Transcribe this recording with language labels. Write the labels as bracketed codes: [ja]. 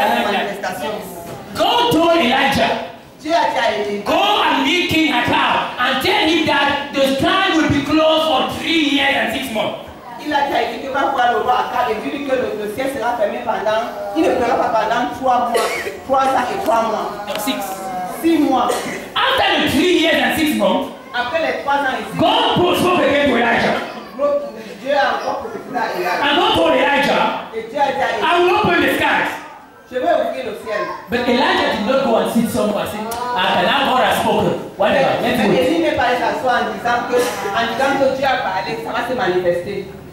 [en] Go to Elijah. Go and meet King Ahab and tell him that the sky will be closed for 3 years and 6 months. [fr] Il a dit que va voir le roi Akab et dit que le dossier sera fermé pendant, il ne pleura pas pendant 3 mois, 3 ans et 3 mois. 6 mois. [en] After the 3 years and 6 months, [fr] après les 3 ans et 6 mois, [en] God postpone again to Elijah. [fr] Dieu a encore prophétisé à Elijah. [en] And go to Elijah. I will open the skies. [fr] Je vais ouvrir le ciel. [en] But Elijah did not go and sit somewhere and say, ah, now God has spoken. Whatever. [fr] Mais il n'est pas allé s'asseoir en disant que Dieu a parlé, ça va se manifester.